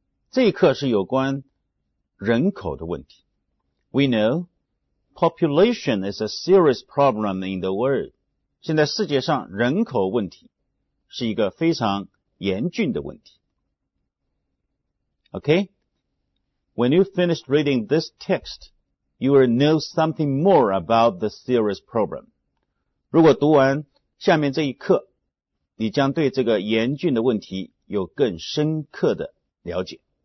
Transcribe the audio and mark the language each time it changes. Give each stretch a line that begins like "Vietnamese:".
Chinese: 这一课是有关人口的问题。
English: We know population is a serious problem in the world.
Chinese: 现在世界上人口问题是一个非常严峻的问题。
English: Okay? When you finish reading this text, you will know something more about the serious problem.
Chinese: 如果读完下面这一课，你将对这个严峻的问题有更深刻的了解。